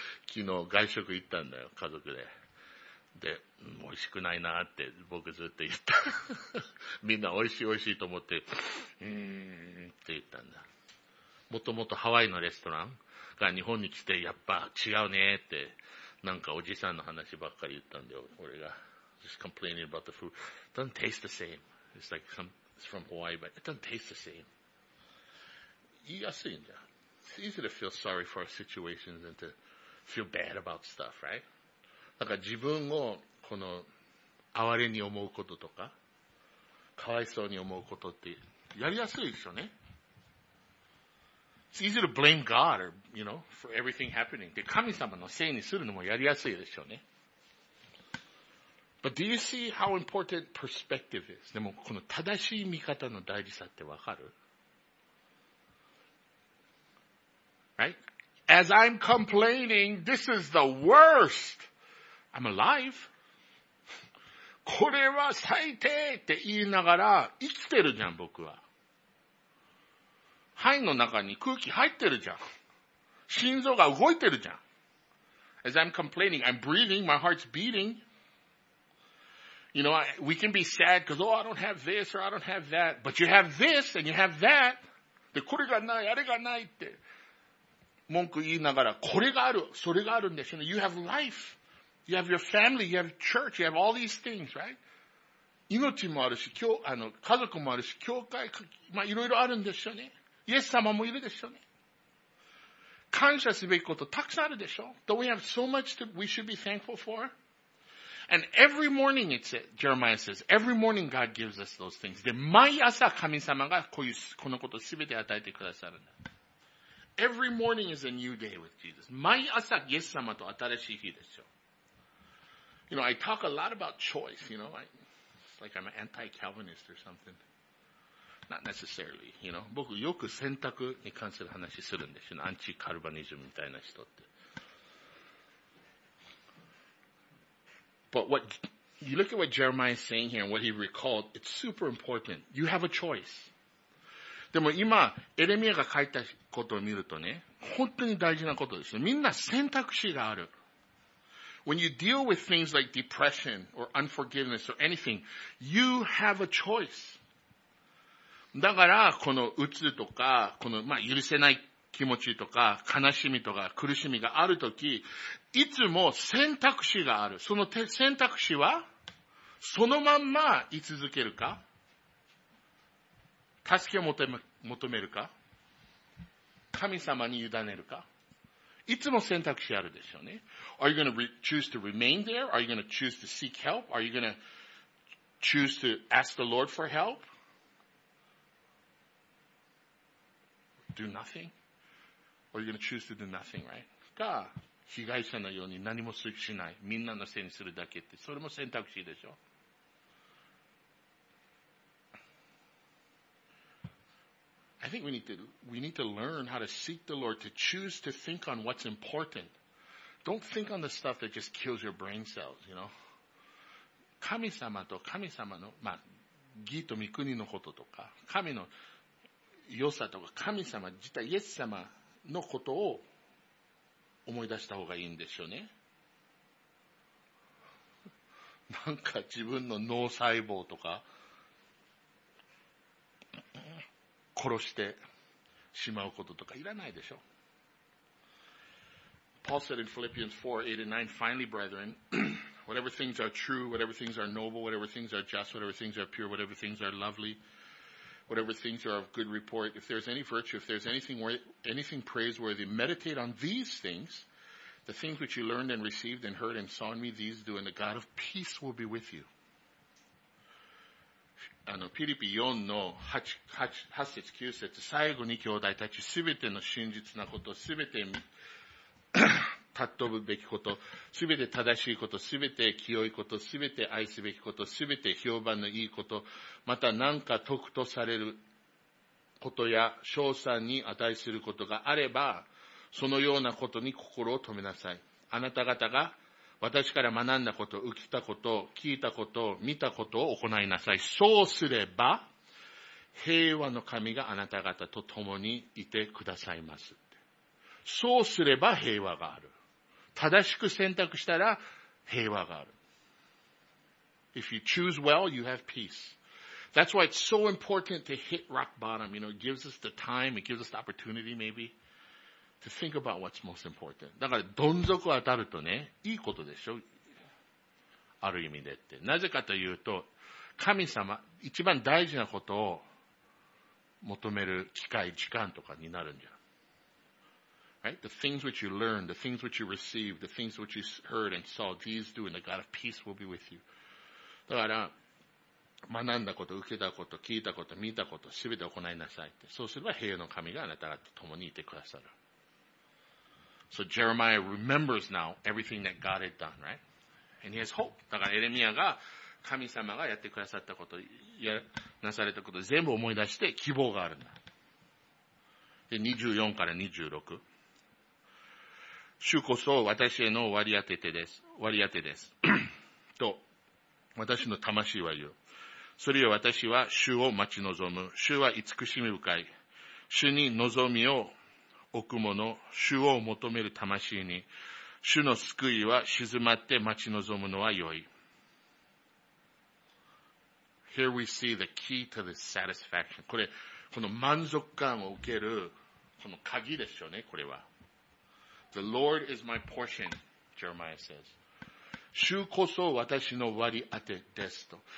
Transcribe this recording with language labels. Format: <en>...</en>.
<ja>昨日外食行ったんだよ、家族で。で、美味しくないなって僕ずっと言った。みんな美味しい美味しいと思って、って言ったんだ。もともとハワイのレストランが日本に来てやっぱ違うねって、なんかおじさんの話ばっかり言ったんだよ、俺が。</ja> <en>Just complaining about the food. It doesn't taste the same. It's like it's from Hawaii, but it doesn't taste the same.</en> <ja>言いやすいんだ。</ja> <en>It's easy to feel sorry for our situations and to feel bad about stuff, right?</en> <ja>なんか自分をこの哀れに思うこととか、かわいそうに思うことってやりやすいでしょうね。</ja> <en>It's easy to blame God, or, you know, for everything happening.</en> <ja>で、神様のせいにするのもやりやすいでしょうね。</ja> <en>But do you see how important perspective is?</en> <ja>でもこの正しい見方の大事さってわかる？</ja> <en>Right? As I'm complaining, this is the worst! I'm alive.</en> <ja>これは最低って言いながら生きてるじゃん、僕は。肺の中に空気入ってるじゃん。心臓が動いてるじゃん。</ja> <en>As I'm complaining, I'm breathing, my heart's beating. You know, we can be sad because, oh, I don't have this or I don't have that. But you have this and you have that.</en> <ja>で、これがない、あれがないって文句言いながら、これがある、それがあるんですよね。</ja> <en>You have life. You have your family, you have church, you have all these things, right?</en> <ja>命もあるし、家族もあるし、教会、まあ、いろいろあるんでしょうね。イエス様もいるでしょうね。感謝すべきことたくさんあるでしょう。</ja> <en>Don't we have so much that we should be thankful for? And every morning, it's it, Jeremiah says, every morning God gives us those things.</en> <ja>で、毎朝神様がこういう、このことすべて与えてくださるんだ。</ja> <en>Every morning is a new day with Jesus.</en> <ja>毎朝イエス様と新しい日でしょう。</ja> <en>You know, I talk a lot about choice, you know, it's like I'm an anti-Calvinist or something. Not necessarily, you know.</en> <ja>僕よく選択に関する話するんですよ。アンチカルバニズムみたいな人って。</ja> <en>But what, you look at what Jeremiah is saying here and what he recalled, it's super important. You have a choice.</en> <ja>でも今、エレミアが書いたことを見るとね、本当に大事なことですよ。みんな選択肢がある。 When you deal with things like depression or unforgiveness or anything, you have a choice. だから、この鬱とか、この、まあ、許せない気持ちとか、悲しみとか、苦しみがあるとき、いつも選択肢がある。その選択肢は、そのまんま居続けるか、助けを求めるか、神様に委ねるか、いつも選択肢あるでしょうね。</ja> <en>Are you going to choose to remain there? Are you going to choose to seek help? Are you going to choose to ask the Lord for help? Do nothing? Or are you going to choose to do nothing, right?</en> <ja>か、被害者のように何もしない。みんなのせいにするだけって。それも選択肢でしょ。</ja> <en>I think we need to learn how to seek the Lord, to choose to think on what's important. Don't think on the stuff that just kills your brain cells, you know?</en> <ja>神様と神様の、まあ、義と御国のこととか、神の良さとか、神様自体、イエス様のことを思い出した方がいいんでしょうね。なんか自分の脳細胞とか、殺してしまうこととかいらないでしょ。</ja> <en>Paul said in Philippians 4:8-9, Finally, brethren, whatever things are true, whatever things are noble, whatever things are just, whatever things are pure, whatever things are lovely, whatever things are of good report, if there's any virtue, if there's anything praiseworthy, meditate on these things. The things which you learned and received and heard and saw in me, these do, and the God of peace will be with you.</en> <ja>ピリピ4の 8節9節、最後に兄弟たち、すべての真実なこと、すべて尊ぶべきこと、すべて正しいこと、すべて清いこと、すべて愛すべきこと、すべて評判のいいこと、また何か得とされることや、称賛に値することがあれば、そのようなことに心を留めなさい。あなた方が、私から学んだこと、受けたこと、聞いたこと、見たことを行いなさい。そうすれば、平和の神があなた方と共にいてくださいます。そうすれば平和がある。正しく選択したら平和がある。</ja> <en>If you choose well, you have peace. That's why it's so important to hit rock bottom. You know, it gives us the time, it gives us the opportunity maybe. To think about what's most important.</en> <ja>だから、どん底当たるとね、いいことでしょ。ある意味でって。なぜかというと、神様、一番大事なことを求める機会、時間とかになるんじゃん。</ja> <en>Right? The things which you learned, the things which you received, the things which you heard and saw, these do, and the God of peace will be with you.</en> <ja>だから、学んだこと、受けたこと、聞いたこと、見たこと、すべて行いなさいって。そうすれば、平和の神があなた方と共にいてくださる。</ja> <en>So Jeremiah remembers now everything that God had done, right? And he has hope.</en> <ja>だからエレミアが神様がやってくださったこと、なされたこと全部思い出して希望があるんだ。で、24から26。主こそ私への割り当てです。割り当てです。と、私の魂は言う。それよ、私は主を待ち望む。主は慈しみ深い。主に望みを置くもの、主を求める魂に、主の救いは静まって待ち望むのは良い。</ja> <en>Here we see the key to the satisfaction.</en> <ja>これ、この満足感を受ける、この鍵ですよね、これは。</ja> <en>The Lord is my portion, Jeremiah says.</en> <ja>主こそ私の割り当てですと。</ja>